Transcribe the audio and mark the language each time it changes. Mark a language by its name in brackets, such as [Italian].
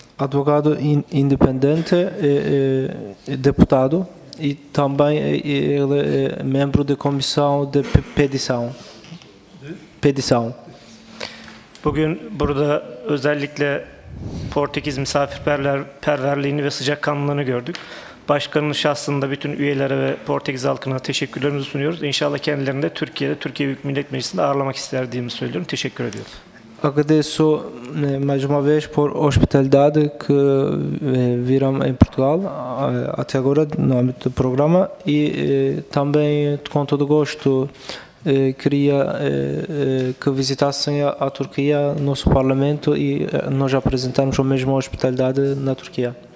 [Portuguese] Advogado independente, deputado e também ele é membro da comissão de petição. Petição. [Turkish] Bugün burada özellikle Portekiz misafirperverliğini ve sıcakkanlılığını gördük. Başkanın şahsında bütün üyelere ve Portekiz halkına teşekkürlerimizi sunuyoruz. İnşallah kendilerini de Türkiye'de, Türkiye Büyük Millet Meclisi'nde ağırlamak isterdiğimi söylüyorum. Teşekkür ediyorum. [Portuguese] Agradeço mais uma vez por hospitalidade que viram em Portugal até agora no âmbito do programa e também com todo gosto queria que visitassem a Turquia, nosso parlamento e nós apresentamos a mesma hospitalidade na Turquia.